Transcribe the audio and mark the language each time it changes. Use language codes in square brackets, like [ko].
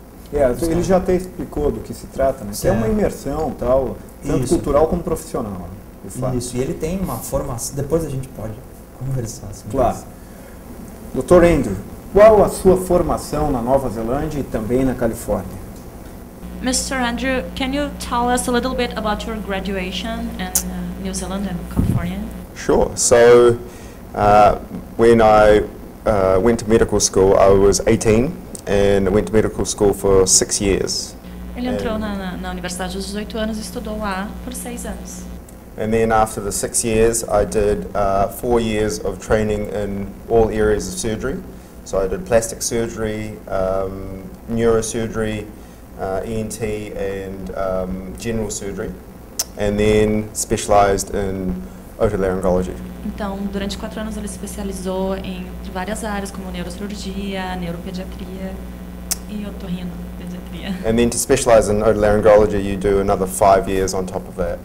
[pt] Ele já até explicou do que se trata, né? Que é uma imersão, tal, tanto isso, cultural como profissional. Isso, e ele tem uma formação, depois a gente pode conversar. Sobre claro. Isso. Dr. Andrew, qual a sua formação na Nova Zelândia e também na Califórnia? [en] Mr. Andrew, can you tell us a little bit about your graduation in New Zealand and California? Sure. So, when I went to medical school, I was 18. And went to medical school for 6 years. [pt] Ele entrou na universidade aos 18 anos e estudou lá por 6 anos. [en] And then after the 6 years, I did 4 years of training in all areas of surgery. So I did plastic surgery, neurosurgery, ENT and general surgery. And then specialized in otolaryngology. [pt] Então, durante 4 anos ele se especializou em várias áreas como neurocirurgia, neuropediatria e otorrinopediatria. [en] And then to specialize in otolaryngology, you do another 5 years on top of that.